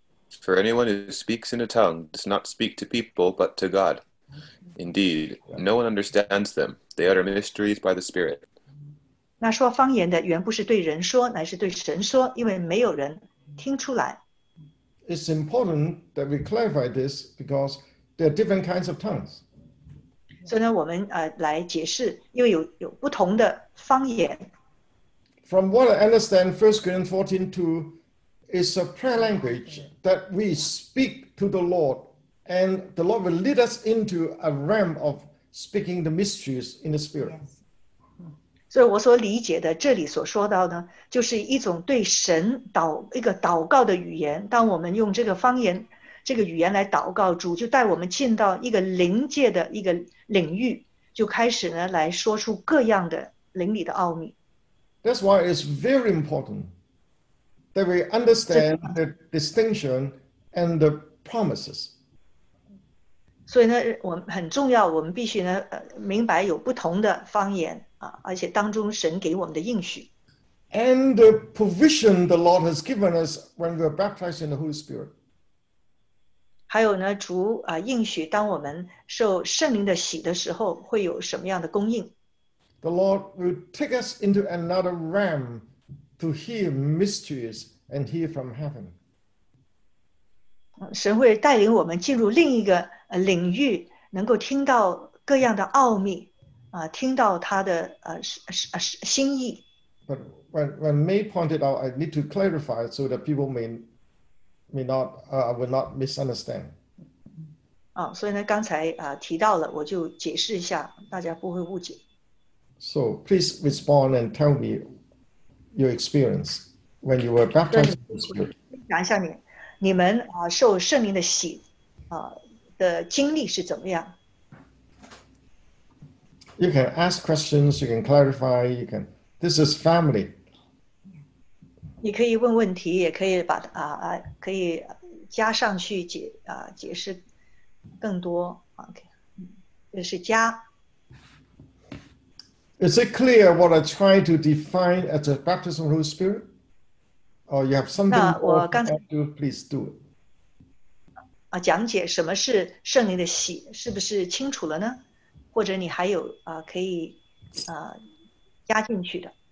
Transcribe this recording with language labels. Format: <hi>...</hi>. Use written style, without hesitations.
<en>For anyone who speaks in a tongue does not speak to people, but to God. Indeed, no one understands them. They utter mysteries by the Spirit.</en> <zh>那说方言的原不是对人说，乃是对神说，因为没有人听出来。</zh> <en>It's important that we clarify this because there are different kinds of tongues.</en> <zh>所以呢，我们来解释，因为有不同的方言。</zh> <en>From what I understand, 1 Corinthians 14:2. It's a prayer language that we speak to the Lord, and the Lord will lead us into a realm of speaking the mysteries in the Spirit. So,</en> <zh>我所理解的这里所说到呢，就是一种对神祷一个祷告的语言。当我们用这个方言、这个语言来祷告，主就带我们进到一个灵界的一个领域，就开始呢来说出各样的灵里的奥秘。</zh> <en>That's why it's very important. That we understand the distinction and the promises.</en> <zh>所以呢，我们很重要，我们必须呢，明白有不同的方言啊，而且当中神给我们的应许。</zh> <en>And the provision the Lord has given us when we are baptized in the Holy Spirit.</en> <zh>还有呢，主啊，应许当我们受圣灵的洗的时候，会有什么样的供应</zh> <en>？The Lord will take us into another realm. To hear mysteries and hear from heaven.</en> <zh>神会带领我们进入另一个领域，能够听到各样的奥秘，听到他的心意。</zh> <en>But when May pointed out, I need to clarify so that people will not misunderstand.</en> <zh>所以呢，刚才提到了，我就解释一下，大家不会误解。</zh> <en>So please respond and tell me. Your experience when you were baptized in the Spirit.</en> <zh>讲一下你们受圣灵的洗的经历是怎么样</zh> <en>？You can ask questions. You can clarify. You can. This is family.</en> <zh>你可以问问题，也可以把可以加上去解释更多。</zh> <en>Okay.</en> <zh>这是家。</zh> <en>Is it clear what I try to define as a baptism of the Holy Spirit? Or you have something more to add to, please do it.</en> <zh>讲解什么是圣灵的洗，是不是清楚了呢？或者你还有可以加进去的？</zh>